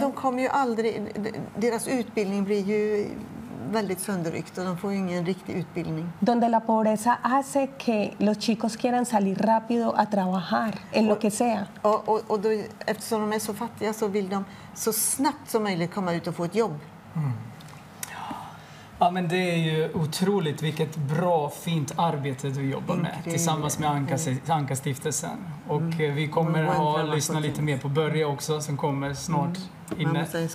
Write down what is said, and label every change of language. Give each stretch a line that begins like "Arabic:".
Swedish: De kommer ju aldrig, deras utbildning blir ju väldigt sönderryckt och de får ingen riktig utbildning.
Spanish: Donde la pobreza hace que los chicos quieran salir rápido a trabajar en lo que sea.
Swedish: Och då, eftersom de är så fattiga så vill de så snabbt som möjligt komma ut och få ett jobb. Ja, men det är ju otroligt vilket bra, fint arbete du jobbar med tillsammans med Anka-stiftelsen. Och vi kommer att lyssna lite mer på Börje också som kommer snart inne.